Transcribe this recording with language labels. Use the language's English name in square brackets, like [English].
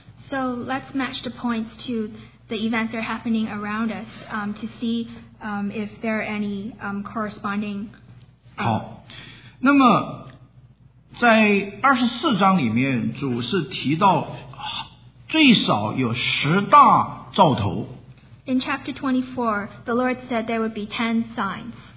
[English] So let's match the points to the events that are happening around us to see if there are any corresponding. [Chinese] 好，那么在二十四章里面主是提到最少有十大兆头。 [English] In chapter 24, the Lord said there would be 10 signs.